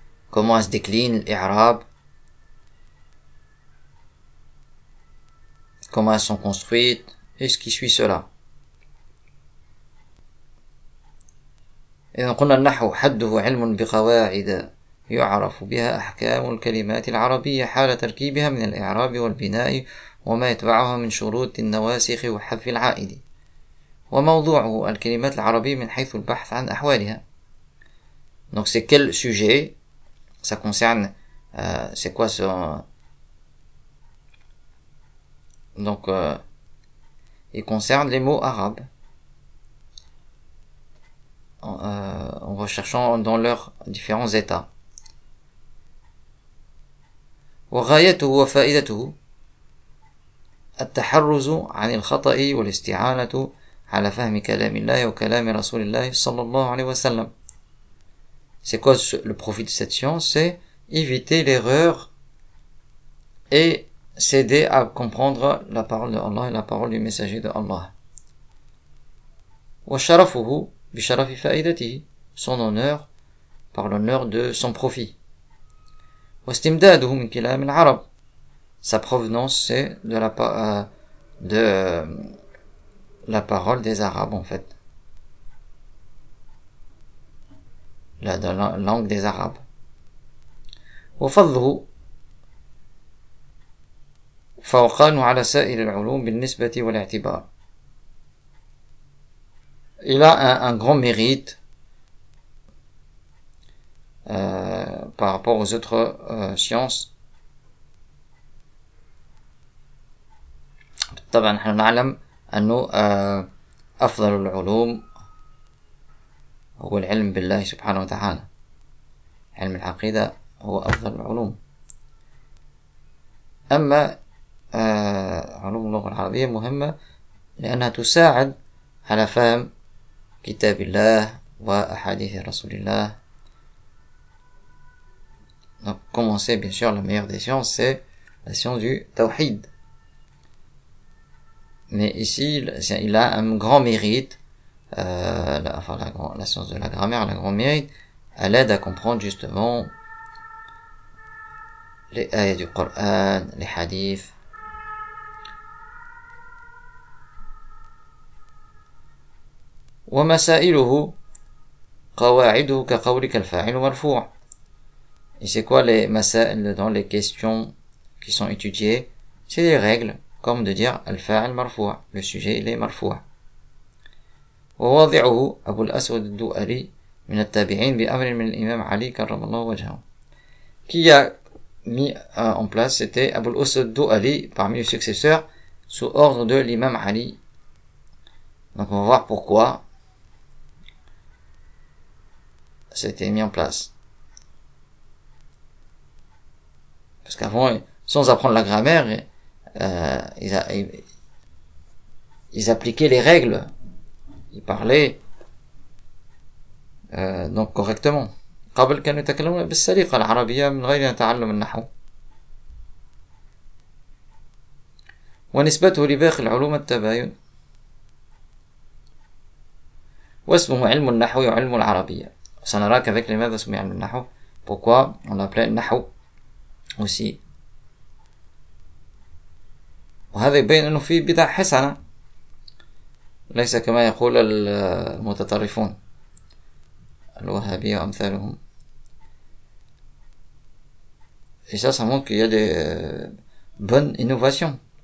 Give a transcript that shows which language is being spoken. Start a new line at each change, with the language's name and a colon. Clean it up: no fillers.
French: comment se décline l'arabe, comment elles sont construites et ce qui suit cela.
Arabic: إذن قلنا النحو حده علم بقواعد يعرف بها أحكام الكلمات العربية حال تركيبها من الإعراب والبناء وما يتبعها من شروط النواسخ وحذف العائد وموضوعه الكلمات العربية من حيث البحث عن أحوالها.
French: Donc c'est quel sujet ça concerne, c'est quoi ce donc il concerne les mots arabes. En recherchant dans leurs différents états.
Arabic: وغايته وفائدته التحرز عن الخطأ والاستعانة على فهم كلام الله وكلام رسول الله صلى الله عليه وسلم.
French: C'est quoi le profit de cette science? C'est éviter l'erreur et s'aider à comprendre la parole de Allah et la parole du messager de Allah.
Arabic: وَشَرَفُهُ بِشَرَفِ فَائِدَتِهِ
French: son honneur par l'honneur de son profit.
Arabic: وَاسْتِمْدَادُهُ مِنْ كِلَامِ الْعَرَبِ
French: sa provenance c'est de la parole des Arabes en fait. La langue des Arabes.
Arabic: وَفَضْلُهُ فوقان على سائر العلوم بالنسبة والاعتبار.
French: Il a un grand mérite par rapport aux autres sciences.
Arabic: طبعا نحن نعلم أنه أفضل العلوم هو العلم بالله سبحانه وتعالى. علم العقيدة هو أفضل العلوم. أما علوم اللغة العربية مهمة لأنها تساعد على فهم كتاب الله وأحاديث رسول الله.
French: Donc, commencer, bien sûr, la meilleure des sciences, c'est la science du tawhid. Mais ici, il a un grand mérite, la science de la grammaire, un grand mérite, elle aide à comprendre justement les ayats du Coran, les hadiths.
Arabic: ومسائله قواعده كقولك الفاعل مرفوع.
French: Et c'est quoi les masail dans les questions qui sont étudiées? C'est des règles, comme de dire
Arabic: al-fa'il marfou',
French: le sujet il est marfou'.
Arabic: ووضعه أبو الأسود الدؤلي من التابعين بأمر من الإمام علي كرم الله وجهه.
French: Qui a mis en place, c'était أبو الأسود الدؤلي parmi les successeurs sous ordre de l'imam Ali. Donc on va voir pourquoi c'était mis en place. Parce qu'avant, sans apprendre la grammaire, ils appliquaient les règles. Ils parlaient donc correctement.
Arabic: قبل كانوا يتكلمون بالسليقة العربية من غير تعلم النحو. ونسبته لباقي العلوم التباين. واسمه علم النحو وعلم العربية.
French: Ça n'a rien qu'avec les mêmes soumis à l'Nahou. Pourquoi on l'appelait Nahou aussi? Et ça, ça montre qu'il y a des bonnes innovations.